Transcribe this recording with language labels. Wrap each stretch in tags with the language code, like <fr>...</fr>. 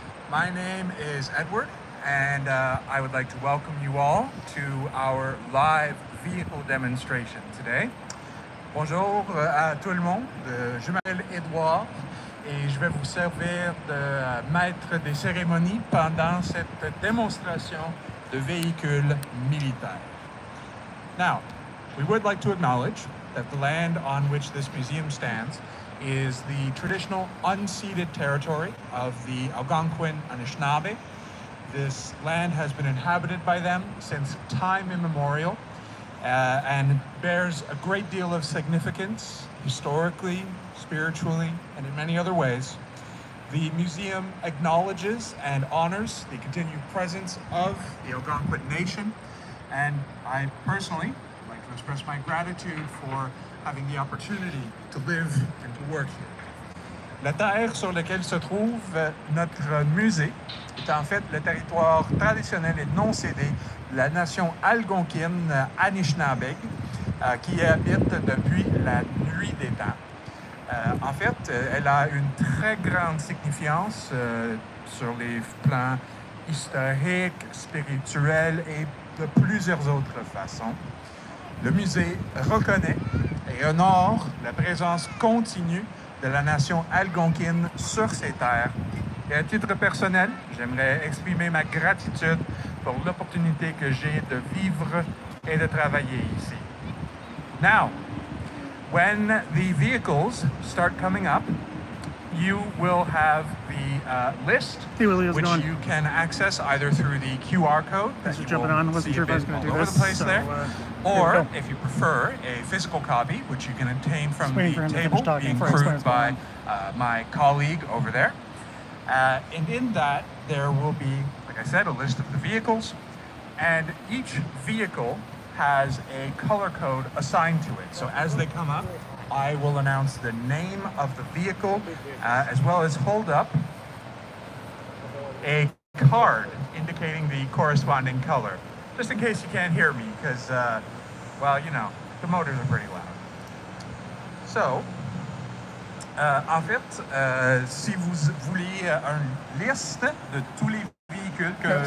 <en>My name is Edward, and I would like to welcome you all to our live vehicle demonstration today.</en> <fr>Bonjour à tout le monde. Je m'appelle Edouard et je vais vous servir de maître des cérémonies pendant cette démonstration de véhicule militaire.</fr> <en>Now, we would like to acknowledge that the land on which this museum stands is the traditional unceded territory of the Algonquin Anishinaabe. This land has been inhabited by them since time immemorial and bears a great deal of significance historically, spiritually, and in many other ways. The museum acknowledges and honors the continued presence of the Algonquin Nation, and I personally like to express my gratitude for having the opportunity to live and to work here.</en> <fr>La terre sur laquelle se trouve notre musée est en fait le territoire traditionnel et non cédé de la nation algonquine Anishinaabe, qui habite depuis la nuit des temps. En fait, elle a une très grande signification sur les plans historiques, spirituels et de plusieurs autres façons. Le musée reconnaît et honore la présence continue de la nation algonquine sur ces terres. Et à titre personnel, j'aimerais exprimer ma gratitude pour l'opportunité que j'ai de vivre et de travailler ici.</fr> <en>Now, when the vehicles start coming up, you will have the list, which you can access either through the QR code that you will see a bit all over the place there, or if you prefer, a physical copy, which you can obtain from the table being proved by my colleague over there. And in that, there will be, like I said, a list of the vehicles, and each vehicle has a color code assigned to it. So as they come up, I will announce the name of the vehicle, as well as hold up a card indicating the corresponding color. Just in case you can't hear me, because, well, you know, the motors are pretty loud.</en> <fr>So, en fait, si vous voulez une liste de tous les véhicules que...</fr>